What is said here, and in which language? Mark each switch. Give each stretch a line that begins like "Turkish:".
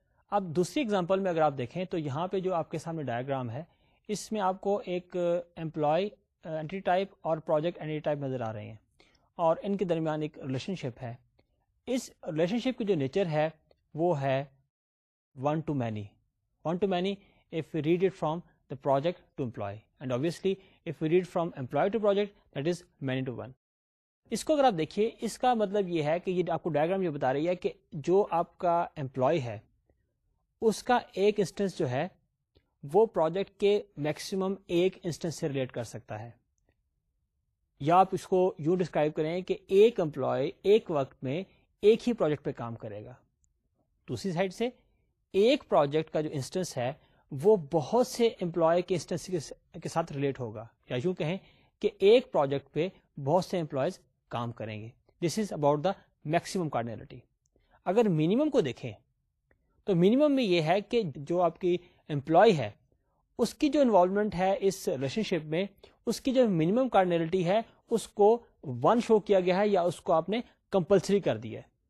Urdu: اب دوسری ایگزامپل میں اگر آپ دیکھیں تو یہاں پہ جو آپ کے سامنے ڈائیگرام ہے اس میں آپ کو ایک امپلائی اینٹی ٹائپ اور پروجیکٹ اینٹی ٹائپ نظر آ رہے ہیں اور ان کے درمیان ایک ریلیشن شپ ہے. اس ریلیشن شپ کی جو نیچر ہے وہ ہے one to many.
English: One to many if you read it from the project to employee and obviously if you read from employee to project that is many to one.
Urdu: اس کو اگر آپ دیکھیے اس کا مطلب یہ ہے کہ یہ آپ کو ڈائیگرام یہ بتا رہی ہے کہ جو آپ کا امپلائی ہے اس کا ایک انسٹنس جو ہے وہ پروجیکٹ کے میکسیمم ایک انسٹنس سے ریلیٹ کر سکتا ہے. یا آپ اس کو یوں ڈسکرائب کریں کہ ایک امپلائی ایک وقت میں ایک ہی پروجیکٹ پہ کام کرے گا. دوسری سائڈ سے ایک پروجیکٹ کا جو انسٹنس ہے وہ بہت سے امپلائی کے انسٹنس کے ساتھ ریلیٹ ہوگا, یا یوں کہیں کہ ایک پروجیکٹ پہ بہت سے امپلائیز کام کریں گے.
English: This is about the maximum cardinality.
Urdu: اگر منیمم کو دیکھیں تو منیمم میں یہ ہے کہ جو آپ کی امپلائی ہے اس کی جو انوالومنٹ ہے اس ریلیشن شپ میں اس کی جو منیمم کارڈنلٹی ہے اس کو ون شو کیا گیا ہے یا اس کو آپ نے کمپلسری کر دیا.